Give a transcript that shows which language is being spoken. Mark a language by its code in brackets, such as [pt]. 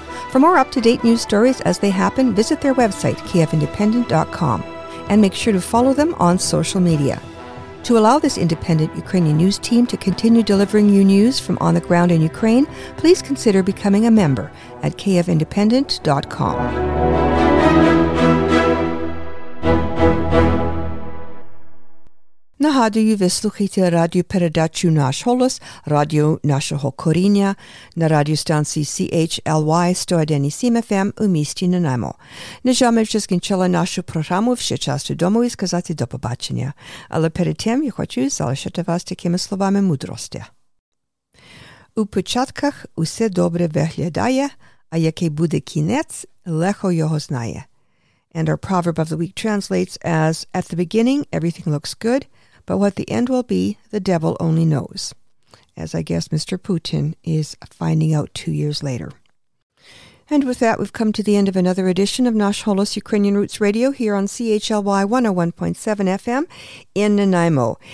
[en] For more up-to-date news stories as they happen, visit their website, kyivindependent.com, and make sure to follow them on social media. To allow this independent Ukrainian news team to continue delivering you news from on the ground in Ukraine, please consider becoming a member at kyivindependent.com. [uk] Нагадую, ви слухаєте радіопередачу «Наш голос», радіо нашого коріння на радіостанції CHLY 101.7 FM у місті Нанаймо. Нежа ми вже скінчили нашу програму, все час додому і сказати до побачення. Але перед тим я хочу залишити вас такими словами мудрості. У початках усе добре виглядає, а який буде кінець, легко його знає. [en] And our proverb of the week translates as, at the beginning, everything looks good, but what the end will be, the devil only knows. As I guess Mr. Putin is finding out 2 years later. And with that, we've come to the end of another edition of Nash Holos Ukrainian Roots Radio here on CHLY 101.7 FM in Nanaimo.